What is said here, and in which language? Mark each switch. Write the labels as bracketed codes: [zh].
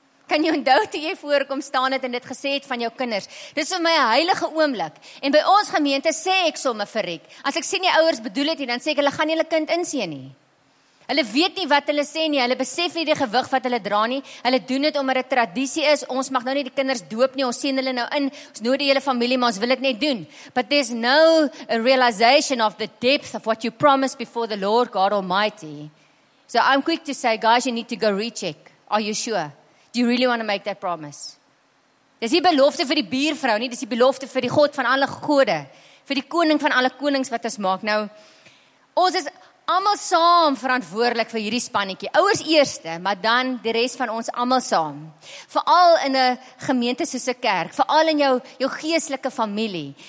[af] Kan jy onthou toe jy voorkom staan het en dit gesê het van jou kinders? Dis vir my 'n heilige oomblik. En by ons gemeente sê ek somme verriek. As ek sien die ouers bedoel het hier, dan sê ek hulle gaan nie hulle kind inseën nie. Hulle weet nie wat hulle sê nie. Hulle besef nie die gewig wat hulle dra nie. Hulle doen dit omdat dit tradisie is. Ons mag nou nie die kinders doop nie. Ons sien hulle nou in. Ons nooi die hele familie, maar ons wil dit net doen. [en] But there's no a realization of the depth of what you promised before the Lord God Almighty. So I'm quick to say, guys, you need to go recheck. Are you sure? Do you really want to make that promise? [af] Dis die belofte vir die buurvrou nie, dis die belofte vir die God van alle gode, vir die koning van alle konings wat ons maak. Nou, ons is almal saam verantwoordelik vir hierdie spannetjie. Ouers eerste, maar dan die res van ons almal saam. Veral in 'n gemeente soos 'n kerk, veral in jou geestelike familie.